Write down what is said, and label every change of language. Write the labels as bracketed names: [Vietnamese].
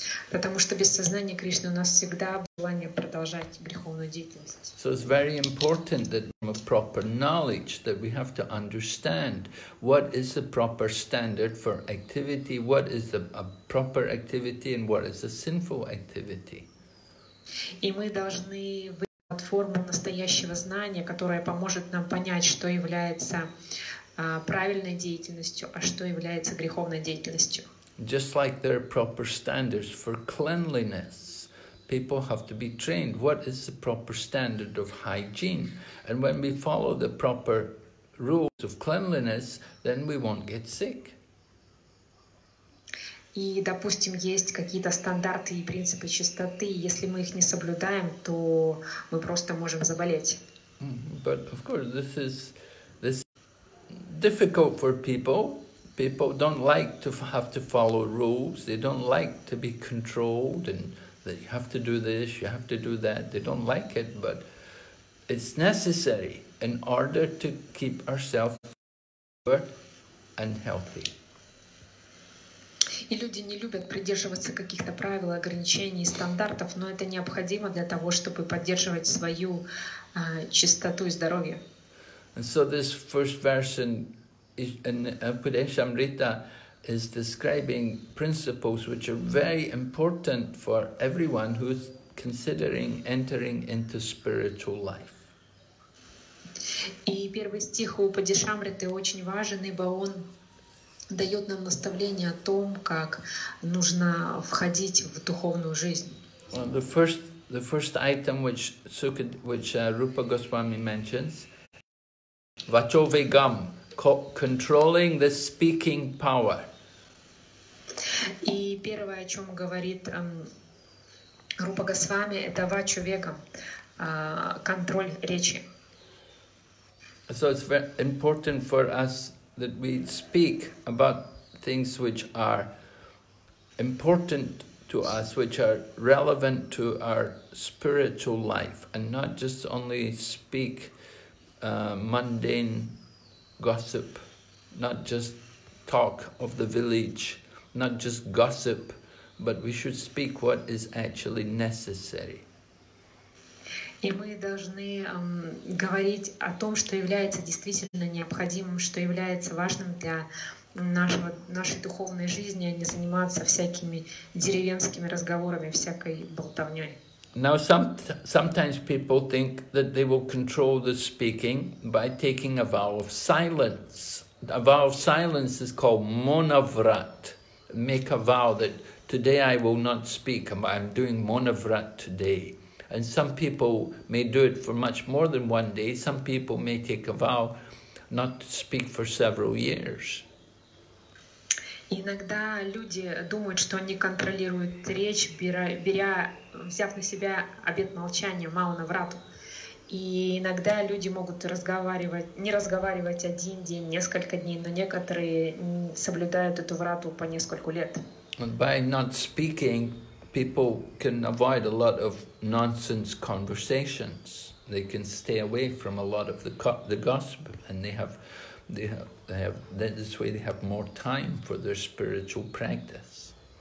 [Russian] Потому что без сознания Кришны у нас всегда желание продолжать греховную деятельность. [English] So it's very important that we have proper knowledge, that we have to understand what is the proper standard for activity, what is a proper activity and what is a sinful activity. [Russian] И мы должны выйти под форму настоящего знания, которая поможет нам понять, что является правильной деятельностью, а что является греховной деятельностью. [English] Just like there are proper standards for cleanliness, people have to be trained. What is the proper standard of hygiene? And when we follow the proper rules of cleanliness, then we won't get sick. [Russian] И, допустим, есть какие-то стандарты и принципы чистоты. Если мы их не соблюдаем, то мы просто можем заболеть. [English] But of course, this is difficult for people. People don't like to have to follow rules. They don't like to be controlled and that you have to do this, you have to do that. They don't like it, but it's necessary in order to keep ourselves pure and healthy. [Russian] И люди не любят придерживаться каких-то правил, ограничений, стандартов, но это необходимо для того, чтобы поддерживать свою чистоту и здоровье. [English] And so this first verse in Upadeshamrita is describing principles which are very important for everyone who's considering entering into spiritual life. [Russian] И первый стих у Падишамриты очень важен, ибо он дает нам наставление о том, как нужно входить в духовную жизнь. [English] Well, the first item which Rupa Goswami mentions, vachovegam, controlling the speaking power. [Russian] И первое, о чем говорит Рупа Госвами, это вачовегам, контроль речи. [English] So it's very important for us that we speak about things which are important to us, which are relevant to our spiritual life, and not just only speak mundane gossip, not just talk of the village, not just gossip, but we should speak what is actually necessary. [Russian] И мы должны говорить о том, что является действительно необходимым, что является важным для нашей духовной жизни, а не заниматься всякими деревенскими разговорами, всякой болтовнёй. [English] Now sometimes people think that they will control the speaking by taking a vow of silence. A vow of silence is called monavrat. Make a vow that today I will not speak, I'm doing monavrat today. And some people may do it for much more than one day. Some people may take a vow not to speak for several years. [Russian] Иногда люди думают, что они контролируют речь, взяв на себя обет молчания, мауна-врату. И иногда люди могут не разговаривать один день, несколько дней, но некоторые соблюдают эту врату по нескольку лет. [English] And by not speaking, people can avoid a lot of nonsense conversations. They can stay away from a lot of the gossip, and they have more time for their spiritual practice.